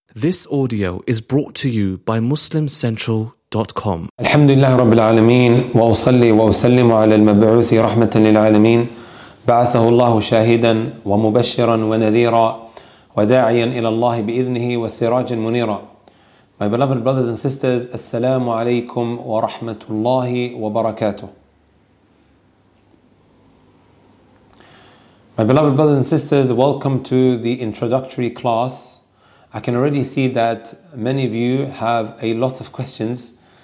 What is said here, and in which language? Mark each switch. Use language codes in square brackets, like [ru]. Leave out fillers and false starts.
[en] This audio is brought to you by MuslimCentral.com. [ar] الحمد لله رب العالمين وأصلي وأسلم على المبعوث رحمة للعالمين بعثه الله شاهدا ومبشرا ونذيرا وداعيا إلى الله بإذنه وسراجا منيرا. [en] My beloved brothers and sisters, [ar] السلام عليكم ورحمة الله وبركاته. [en] My beloved brothers and sisters, welcome to the introductory class. I can already see that many of you have a lot of questions.